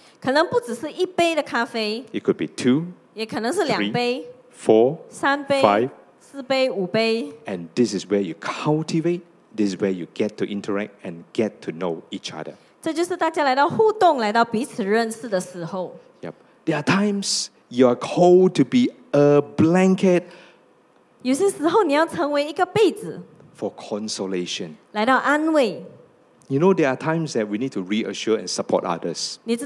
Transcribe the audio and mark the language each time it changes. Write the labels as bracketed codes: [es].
[zh] 可能不只是一杯的咖啡。 [en] It could be two. [zh] 也可能是两杯。 [en] Four. [zh] 三杯。 [en] Five. [zh] 四杯、五杯。 [en] And this is where you cultivate. This is where you get to interact and get to know each other. [zh] 这就是大家来到互动，来到彼此认识的时候。 [en] Yep. There are times you are called to be a blanket. [zh] 有些时候你要成为一个被子。 [en] For consolation. [zh] 来到安慰。 [en] You know, there are times that we need to reassure and support others.